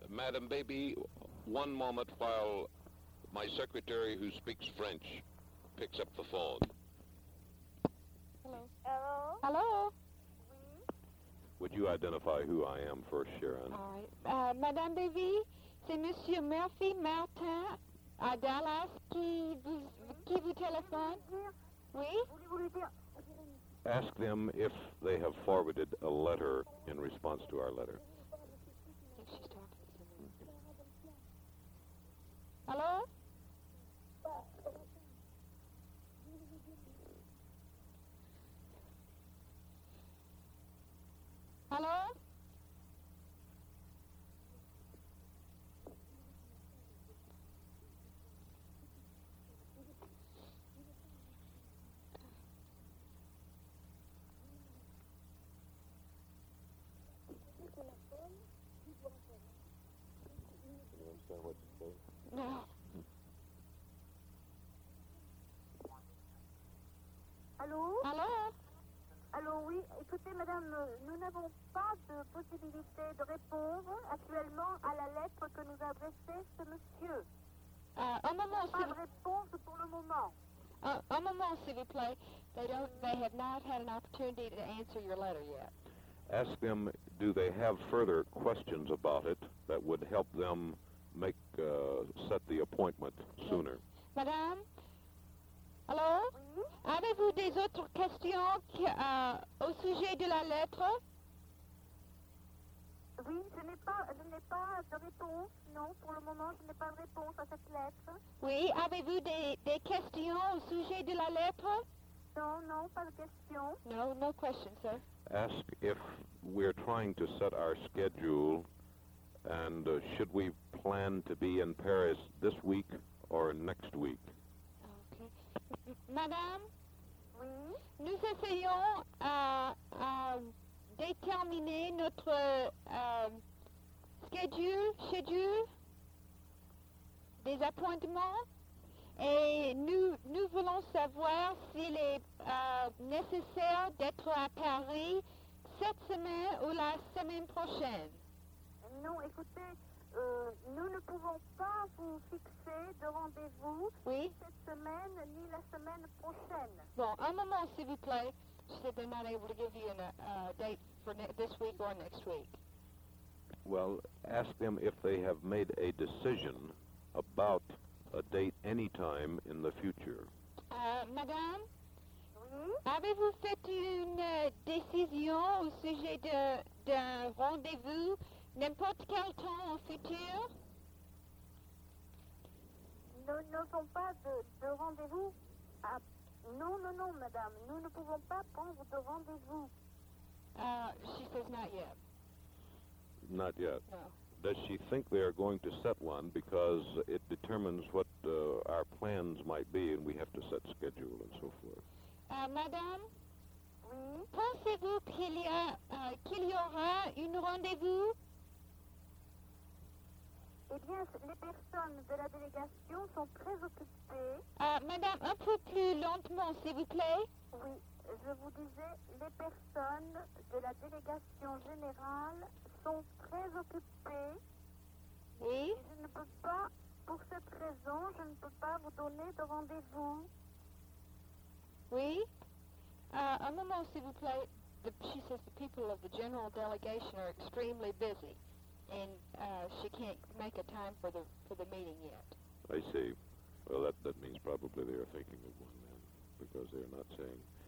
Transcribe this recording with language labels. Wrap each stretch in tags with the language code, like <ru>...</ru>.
<en>Madame Baby, one moment while my secretary, who speaks French, picks up the phone. Hello? Hello? Hello? Mm-hmm. Would you identify who I am first, Sharon? All right.</en> <fr>Madame Baby, c'est Monsieur Murphy Martin à Dallas qui vous téléphone? Oui?</fr> <en>Ask them if they have forwarded a letter in response to our letter. She's talking. Hello? Hello?</en> <fr>Allô? Allô? Allô, oui. Écoutez, madame, nous n'avons pas de possibilité de répondre actuellement à la lettre que nous a adressée ce monsieur. Un moment, s'il vous plaît. Pas de réponse pour le moment. Un moment, s'il vous plaît.</fr> <en>They have not had an opportunity to answer your letter yet. Ask them, do they have further questions about it that would help them make, set the appointment sooner? Yes. Madame? Hello?</en> <fr>Oui? Avez-vous des autres questions au sujet de la lettre? Oui, je n'ai pas de réponse. Non, pour le moment, je n'ai pas de réponse à cette lettre. Oui, avez-vous des questions au sujet de la lettre? Non, pas de questions.</fr> <en>No questions, sir. Ask if we're trying to set our schedule and should we plan to be in Paris this week or next week?</en> <fr>Madame, oui? Nous essayons à déterminer notre schedule des appointements et nous voulons savoir s'il est nécessaire d'être à Paris cette semaine ou la semaine prochaine. Non, écoutez, nous ne pouvons pas vous fixer de rendez-vous oui? cette semaine ni la semaine prochaine. Bon, un moment s'il vous plaît.</fr> <en>They're not able to give you a date for this week or next week. Well, ask them if they have made a decision about a date any time in the future.</en> <fr>Madame, mm-hmm. avez-vous fait une décision au sujet d'un rendez-vous n'importe quel temps en futur? Nous n'avons pas de rendez-vous à Non, madame. Nous ne pouvons pas prendre de rendez-vous.</fr> <en>She says not yet. Not yet. No. Does she think they are going to set one because it determines what our plans might be and we have to set schedule and so forth?</en> <fr>Madame? Oui? Pensez-vous qu'il y aura un rendez-vous? Eh bien, les personnes de la délégation sont très occupées. Madame, un peu plus lentement, s'il vous plaît. Oui, je vous disais, les personnes de la délégation générale sont très occupées. Oui. Je ne peux pas, pour cette raison, je ne peux pas vous donner de rendez-vous. Oui. Un moment, s'il vous plaît.</fr> <en>She says the people of the general delegation are extremely busy. And she can't make a time for the meeting yet. I see. Well, that means probably they are thinking of one then, because they are not saying.</en>